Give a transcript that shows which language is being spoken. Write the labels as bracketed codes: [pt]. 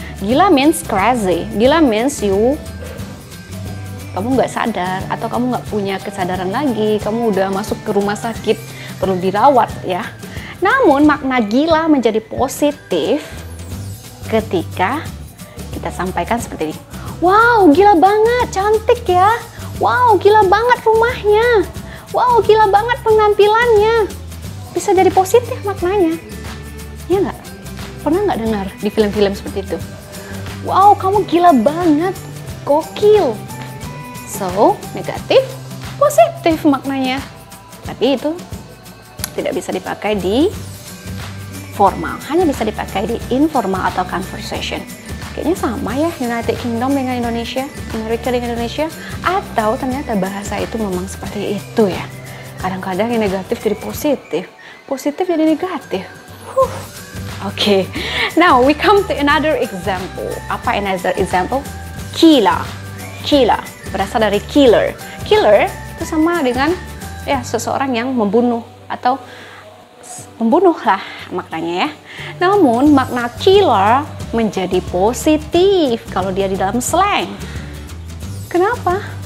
[en] Gila means crazy, gila means you. [id] Kamu nggak sadar atau kamu nggak punya kesadaran lagi, kamu udah masuk ke rumah sakit, perlu dirawat ya. Namun makna gila menjadi positif ketika kita sampaikan seperti ini. Wow, gila banget, cantik ya. Wow, gila banget rumahnya. Wow, gila banget penampilannya. Bisa jadi positif maknanya. Iya nggak? Pernah nggak dengar di film-film seperti itu? Wow, kamu gila banget. Gokil. So, negatif, positif maknanya. Tapi itu tidak bisa dipakai di formal, hanya bisa dipakai di informal atau conversation. Kayaknya sama ya United Kingdom dengan Indonesia, Amerika dengan Indonesia, atau ternyata bahasa itu memang seperti itu ya. Kadang-kadang yang negatif jadi positif, positif jadi negatif. Oke, okay. [en] Now we come to another example. [id] Apa [en] another example? [id] Kila, kila, berasal dari killer. Killer itu sama dengan ya seseorang yang membunuh atau pembunuh lah maknanya ya. Namun makna killer menjadi positif kalau dia di dalam slang. Kenapa?